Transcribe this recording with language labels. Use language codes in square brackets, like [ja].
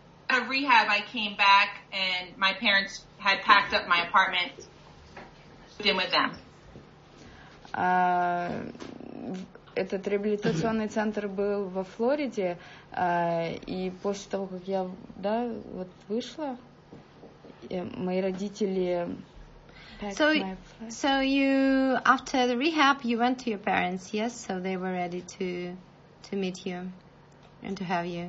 [en] At rehab, I came back and my parents had packed up my apartment, moved in with them. [ru] Этот реабилитационный центр был во Флориде, и после того, как я, да, вот вышла, мои родители. [en] So you, after the rehab, you went to your parents, yes? So they were ready to meet you and to have you.